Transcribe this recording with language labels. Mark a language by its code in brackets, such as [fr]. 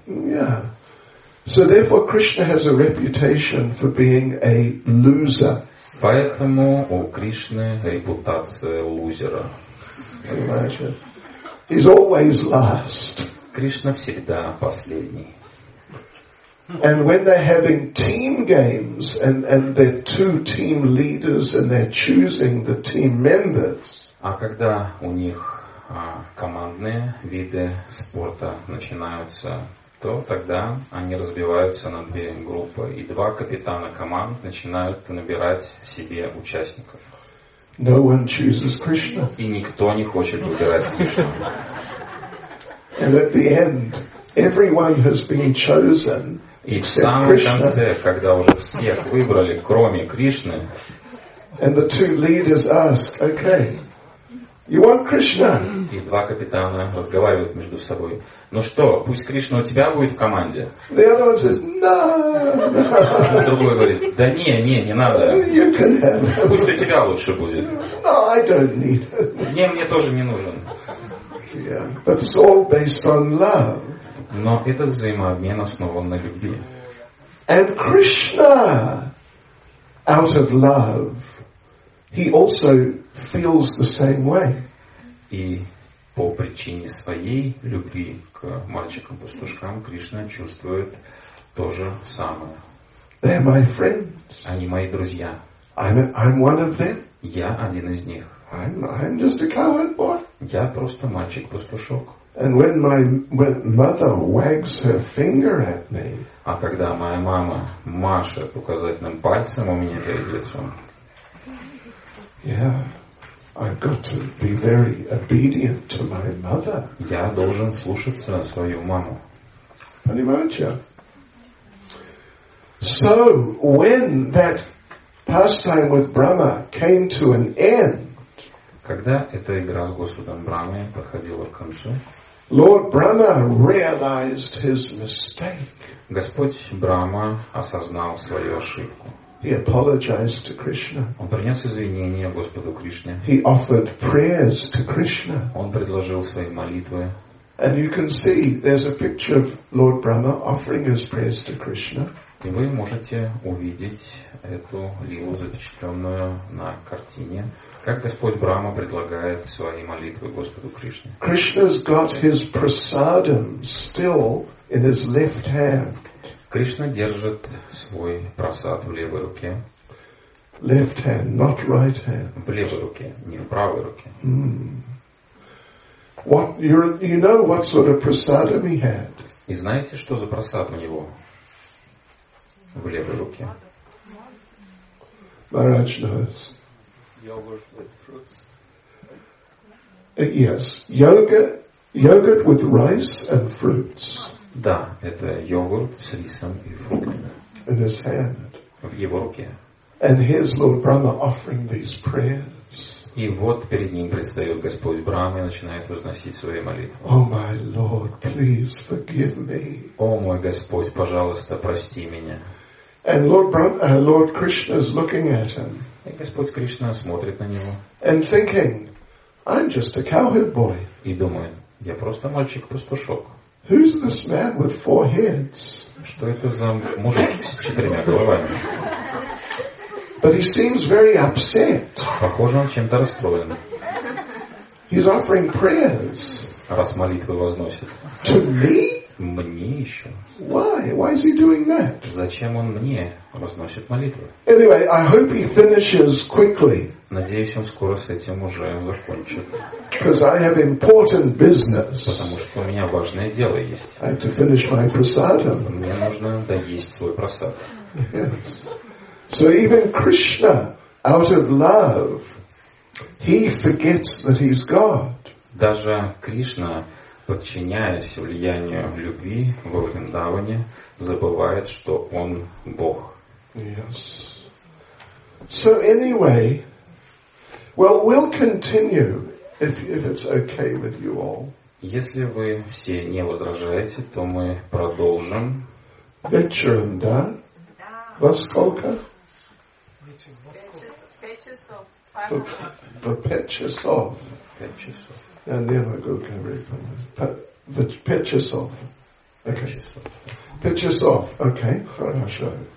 [en] Yeah. So therefore, Krishna has a reputation for being a loser. [ru] Поэтому у Кришны репутация лузера. [en] Imagine. He's always last. [ru] Кришна всегда последний. [en] And when they're having team games and they're two team leaders and they're choosing the team members. [ru] А когда у них командные виды спорта начинаются, то тогда они разбиваются на две группы, и два капитана команд начинают набирать себе участников. [en] No one chooses Krishna. [ru] И никто не хочет выбирать Кришну. [en] And at the end, everyone has been chosen. [ru] И в самом конце, когда уже всех выбрали, кроме Кришны, [en] and the two leaders ask, okay, you want Krishna? [ru] И два капитана разговаривают между собой. Ну что, пусть Кришна у тебя будет в команде? [en] The other one says, no. [ru] Другой говорит, да не, не, не надо. [en] You can have him. [ru] Пусть у тебя лучше будет. [en] No, I don't need him. [ru] Не, мне тоже не нужен. [en] Yeah. But it's all based on love. [ru] Но этот взаимообмен основан на любви. [en] And Krishna, out of love, he also feels the same way. [ru] И по причине своей любви к мальчикам-пастушкам Кришна чувствует то же самое. [en] They are my friends. [ru] Они мои друзья. [en] I'm one of them. [ru] Я один из них. [en] I'm just a coward boy. [ru] Я просто мальчик-пастушок. [en] And when my mother wags her finger at me, [ru] а когда моя мама машет указательным пальцем у меня перед лицом, [en] yeah, I've got to be very obedient to my mother. [ru] Я должен слушаться свою маму. Понимаете? [en] So when that pastime with Brahma came to an end, [ru] когда эта игра с Господом Брахмой подходила к концу, [en] Lord Brahma realized his mistake. [ru] Господь Брахма осознал свою ошибку. [en] He apologized to Krishna. [ru] Он принес извинения Господу Кришне. [en] He offered prayers to Krishna. [ru] Он предложил свои молитвы. [en] And you can see there's a picture of Lord Brahma offering his prayers to Krishna. [ru] И вы можете увидеть эту лилу, запечатленную на картине. Как Господь Брахма предлагает свои молитвы Господу Кришне. [en] Krishna's got his prasadam still in his left hand. [ru] Кришна держит свой прасад в левой руке. [en] Left hand, not right hand. [ru] В левой руке, не в правой руке. Mm. [en] You know what sort of prasadam he had? [ru] И знаете, что за прасад у него в левой руке? [en] Maharaj knows. Yogurt with fruits. Yes, yogurt with rice and fruits. [ru] Да, это йогурт с рисом и фруктами. [en] In his hand. [ru] в его руке. [en] And here's Lord Brahma offering these prayers. [ru] И вот перед ним предстает Господь Брахма и начинает возносить свои молитвы. [en] О, my Lord, please forgive me. [ru] О, мой Господь, пожалуйста, прости меня. [en] And Lord Brahma, Lord Krishna is looking at him. [ru] И Господь Кришна смотрит на него. [en] And thinking, I'm just a cowherd boy. [ru] И думает, я просто мальчик-пастушок. [en] Who's this man with four heads? [ru] Что это за мужик с четырьмя головами? [en] But he seems very upset. [ru] Похоже, он чем-то расстроен. [en] He's offering prayers. [ru] Раз молитвы возносит. [en] To me? [ru] Мне еще. [en] Why? Why is he doing that? [ru] Зачем он мне возносит молитвы? [en] Anyway, I hope he finishes quickly. [ru] Надеюсь, он скоро с этим уже закончит. [en] Because I have important business. [ru] Потому что у меня важное дело есть. [en] I have to finish my prasadam. [ru] Мне нужно доесть свой просад. [en] Yes. So even Krishna, out of love, he forgets that he's God. [ru] Даже Кришна, подчиняясь влиянию любви во Вриндаване, забывает, что он Бог. [en] Yes. So anyway, well, we'll continue if it's okay with you all. [ru] Если вы все не возражаете, то мы продолжим. Вечером, да? Да. Во сколько? Pechesov. [en] Okay. [ru] Хорошо.